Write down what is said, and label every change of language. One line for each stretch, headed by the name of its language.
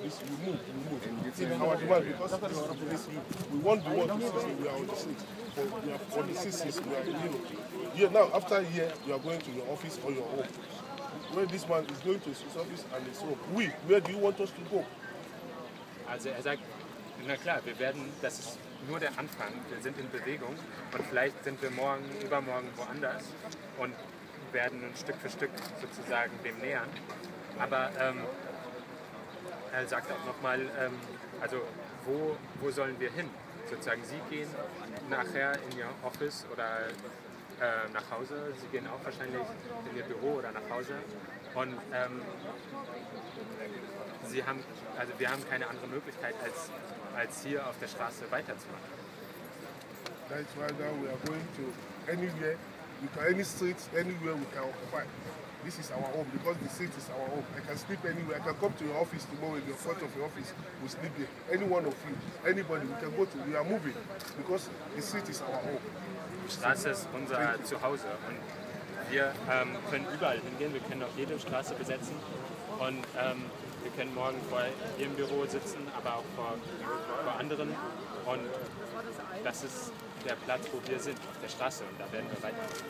English: This, we move. In our demand, because this is the place. We want the world to see we are on the seat. But we are on the seat since we are in Europe. Yeah, now, after a year, you are going to your office on your own. Where this man is going to his office and his home. We, where do you want us to go?
German: Also, er sagt, na klar, wir werden, das ist nur der Anfang, wir sind in Bewegung und vielleicht sind wir morgen, übermorgen woanders und werden uns Stück für Stück sozusagen dem nähern. Aber er sagt auch nochmal, also wo sollen wir hin? Sozusagen, Sie gehen nachher in Ihr Office oder nach Hause, Sie gehen auch wahrscheinlich in Ihr Büro oder nach Hause und Sie haben, also wir haben keine andere Möglichkeit, als hier auf der Straße weiterzumachen.
English: That's why now we are going to anywhere, we can, any street, anywhere we can occupy. This is our home, because the city is our home. I can sleep anywhere, I can come to your office tomorrow in the front of your office, we sleep here. Any one of you, anybody, we can go to, we are moving, because the city is our home.
German: Straße ist unser Zuhause und wir können überall hingehen, wir können auch jede Straße besetzen und wir können morgen vor Ihrem Büro sitzen, aber auch vor anderen und das ist der Platz, wo wir sind, auf der Straße und da werden wir weiter.